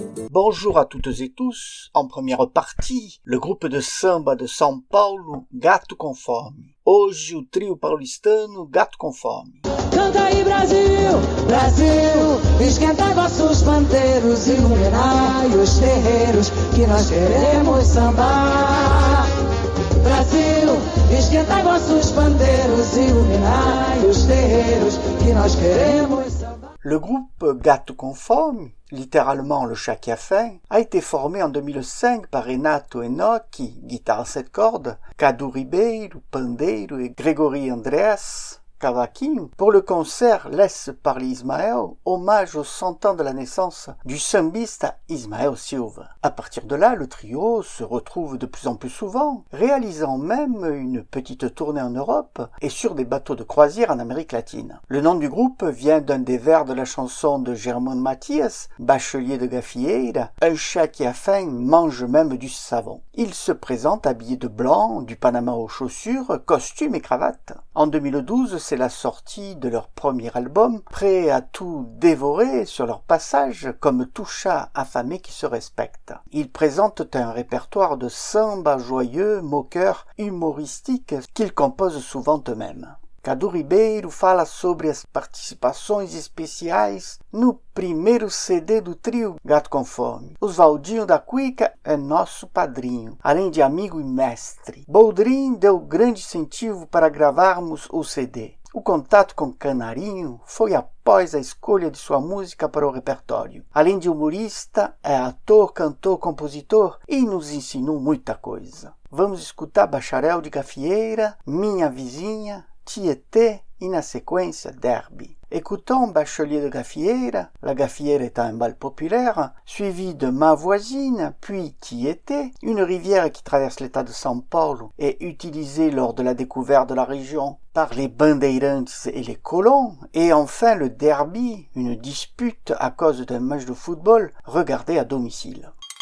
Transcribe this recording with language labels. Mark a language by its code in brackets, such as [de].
[fr] Bonjour à toutes et tous. En première partie, le groupe de samba de São Paulo, Gato Conforme. [pt] Hoje, o trio paulistano, Gato Conforme. Canta aí, Brasil, Brasil, esquenta vossos panteiros, iluminai os terreiros, que nós queremos sambar. Brasil, esquenta vossos panteiros, iluminai os terreiros, que nós queremos sambar. [fr] Le groupe Gato Conforme, littéralement le chat qui a faim, a été formé en 2005 par Renato Enocchi, guitare à sept cordes, Cadu Ribeiro, pandeiro et Gregory Andreas, cavaquinho, pour le concert Laisse parler Ismael, hommage aux 100 ans de la naissance du sambista Ismael Silva. À partir de là, le trio se retrouve de plus en plus souvent, réalisant même une petite tournée en Europe et sur des bateaux de croisière en Amérique latine. Le nom du groupe vient d'un des vers de la chanson de Germán Mathias, bachelier de Gafieira, « Un chat qui a faim mange même du savon ». Il se présente habillé de blanc, du Panama aux chaussures, costume et cravate. En 2012, c'est la sortie de leur premier album, prêt à tout dévorer sur leur passage, comme tout chat affamé qui se respecte. Ils présentent un répertoire de samba joyeux, moqueur, humoristique, qu'ils composent souvent eux-mêmes. [pt] Cadu Ribeiro fala sobre as participações especiais no primeiro CD do trio Gato Conforme. Oswaldinho da Cuica é nosso padrinho, além de amigo e mestre. Boldrin deu grande incentivo para gravarmos o CD. O contato com Canarinho foi após a escolha de sua música para o repertório. Além de humorista, é ator, cantor, compositor e nos ensinou muita coisa. Vamos escutar Bacharel de Gafieira, Minha Vizinha, Tietê e, na sequência, Derby. [fr] Écoutons Bachelier de Gafieira, La Gafieira est un bal populaire, suivi de Ma Voisine, puis Tietê, une rivière qui traverse l'état de São Paulo et utilisée lors de la découverte de la région par les bandeirantes et les colons, et enfin le Derby, une dispute à cause d'un match de football regardé à domicile.